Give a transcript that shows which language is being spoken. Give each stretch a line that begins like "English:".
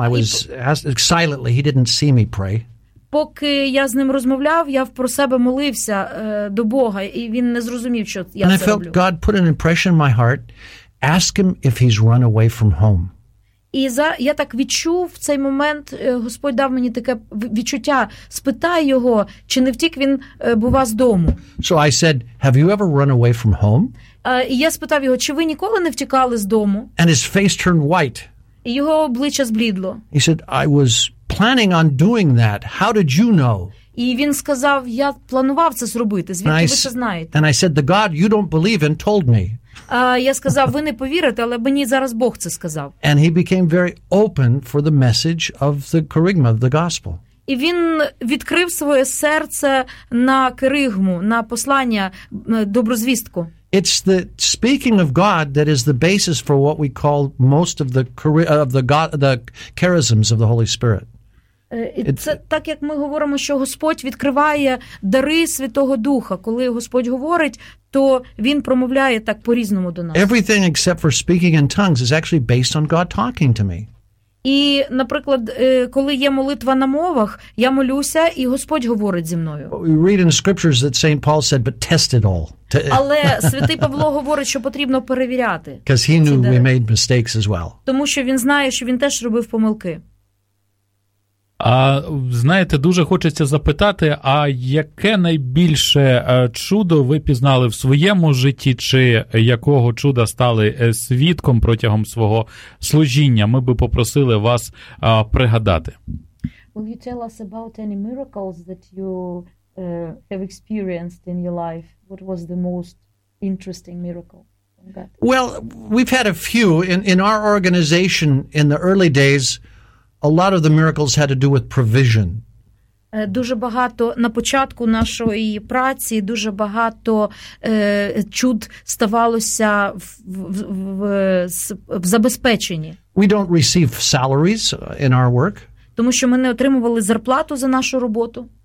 English: I was silently, he didn't see me pray.
Ukrainian: Поки я з ним розмовляв, я про себе молився до Бога, і він не зрозумів, що я це роблю.
English: And I felt God put an impression in my heart, ask him if he's run away from home.
Ukrainian: І за я так відчув в цей момент, Господь дав мені таке відчуття. Спитай його, чи не втік він бува з дому.
English: So I said, have you ever run away from home?
Ukrainian: І я спитав його, чи ви ніколи не втікали з дому?
English: And his face turned white.
Ukrainian: І його обличчя зблідло.
English: He said, I was planning on doing that. How did you know?
Ukrainian: І він сказав, я планував це зробити. Звідки ви це знаєте?
English: And I said, the God you don't believe in told me.
Ukrainian: Я сказав, ви не повірите, але мені зараз Бог це сказав.
English: And he became very open for the message of the kerygma, the gospel.
Ukrainian: І він відкрив своє серце на керигму, на послання, добру звістку.
English: It's the speaking of God that is the basis for what we call most of the charisms of the Holy Spirit.
Ukrainian: Це так, як ми говоримо, що Господь відкриває дари Святого Духа. Коли Господь говорить, то Він промовляє так по-різному до нас.
English: Everything except for speaking in tongues is actually based on God talking to me.
Ukrainian: І, наприклад, коли є молитва на мовах, я молюся, і Господь говорить зі мною.
English: We read in scriptures that Saint Paul said, but test it all.
Ukrainian: Але святий Павло говорить, що потрібно перевіряти.
English: Because he knew we made mistakes as well.
Ukrainian: Тому що він знає, що він теж робив помилки. А знаєте, дуже хочеться запитати, а яке найбільше чудо ви пізнали в своєму житті, чи якого чуда стали свідком протягом свого служіння? Ми би попросили вас пригадати.
English: Will you tell us about any miracles that you have experienced in your life? What was the most interesting miracle? Well, we've had a few in our organization in the early days. A lot of the miracles had to do with provision.
Ukrainian: Дуже багато на початку нашої праці дуже багато чуд ставалося в забезпеченні.
English: We don't receive salaries in our work.
Ukrainian: Тому що ми не отримували зарплату за нашу роботу.